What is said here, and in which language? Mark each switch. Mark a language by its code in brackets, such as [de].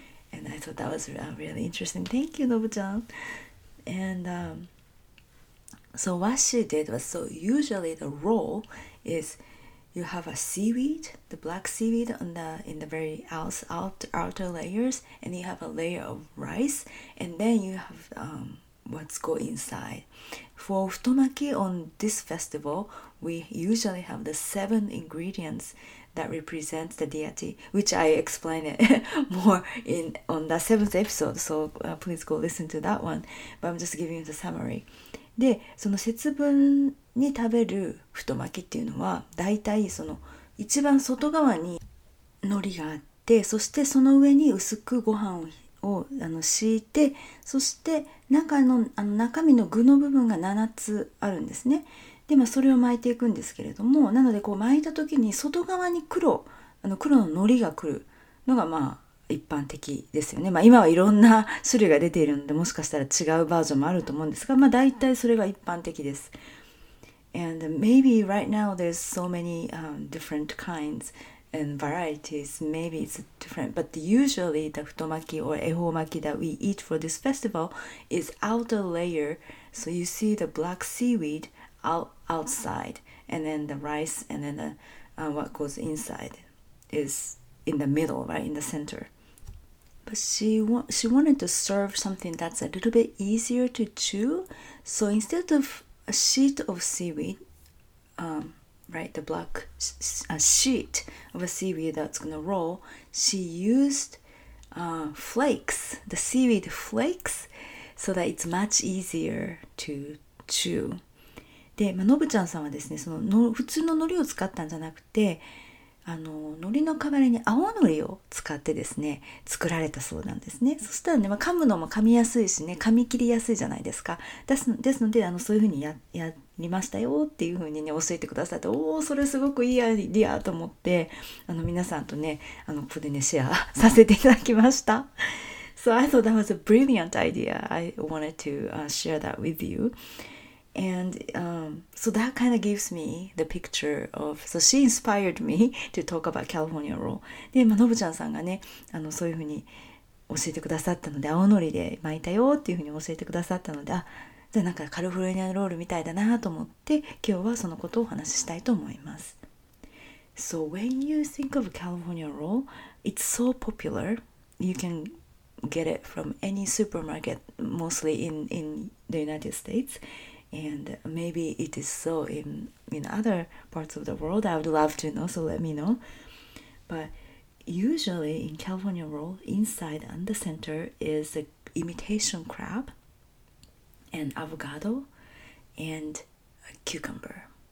[en] And I thought that was really interesting. Thank you, Nobu-chan. And so what she did was, so usually the roll is you have a seaweed, the black seaweed in the very outer layers, and you have a layer of rice, and then you have what's go inside. For futomaki on this festival, we usually have the 7 ingredients that represents the deity, which I explain it more on the 7th episode, so please go listen to that one. But I'm just giving you the summary. [ja] で、その節分に食べる太巻きっていうのは、だいたいその一番外側に海苔があって、そしてその上に薄くご飯を敷いて、そして中身の具の部分が7つあるんですね。で、まあ、それを巻いていくんですけれども、なので、こう巻いた時に外側に黒の海苔が来るのが、まあ、一般的ですよね。まあ、今はいろんな種類が出ているので、もしかしたら違うバージョンもあると思うんですが、まあ、大体それが一般的です。 [en] And maybe right now there's so many different kinds and varieties. Maybe it's different. But usually the 太巻き or 恵方巻き that we eat for this festival is outer layer. So you see the black seaweed. Outside, and then the rice, and then what goes inside is in the middle, right in the center. But she wanted to serve something that's a little bit easier to chew. So instead of a sheet of seaweed, right, the black sheet of a seaweed that's gonna roll, she used flakes, the seaweed flakes, so that it's much easier to chew. [ja] で、まあ、のぶちゃんさんはですね、その普通の海苔を使ったんじゃなくて、海苔の代わりに青海苔を使ってですね、作られたそうなんですね。そしたらね、まあ、噛むのも噛みやすいしね、噛み切りやすいじゃないですか。ですので、そういうふうに やりましたよっていうふうにね、教えてくださって、おお、それすごくいいアイディアと思って、皆さんとね、ここでね、シェアさせていただきました。 [en] So I thought that was a brilliant idea. I wanted to share that with you. And so that kind of gives me the picture of, so she inspired me to talk about California roll. [ja] で、まあ、のぶちゃんさんがね、そういうふうに教えてくださったので、青のりで巻いたよっていうふうに教えてくださったので、じゃあなんかカリフォルニアロールみたいだなと思って、今日はそのことをお話ししたいと思います。 [en] So when you think of California roll, it's so popular, you can get it from any supermarket, mostly in the United States. And maybe it is so in other parts of the world. I would love to know, so let me know. But usually in California roll, inside and the center is an imitation crab, and avocado, and a cucumber.